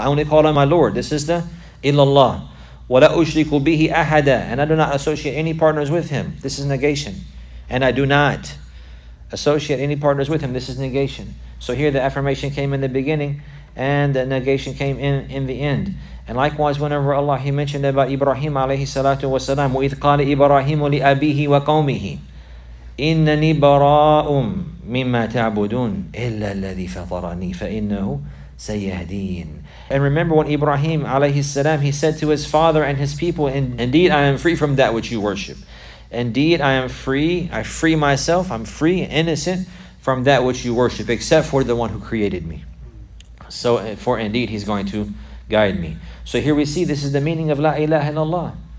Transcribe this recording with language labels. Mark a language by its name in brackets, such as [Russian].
[English] I only call on my Lord. This is the illallah. [Arabic] وَلَا أُشْرِكُ بِهِ أَحَدًا. [English] And I do not associate any partners with Him. This is negation. And I do not associate any partners with Him. This is negation. So here the affirmation came in the beginning and the negation came in the end. And likewise, whenever Allah, He mentioned about Ibrahim [Arabic] alayhi salatu wasalam, وَإِذْ قَالَ إِبْرَاهِيمُ لِأَبِيهِ وَقَوْمِهِ إِنَّنِي بَرَاءٌ مِمَّا تَعْبُدُونَ إِلَّا الَّذِي فَطَرَنِي فَإِنَّهُ سَيَهْدِينَ. [English] And remember when Ibrahim alayhi salam, he said to his father and his people, indeed I am free from that which you worship. Indeed I am free, I free myself, I'm free, innocent from that which you worship, except for the one who created me. So for indeed he's going to guide me. So here we see this is the meaning of La ilaha illallah.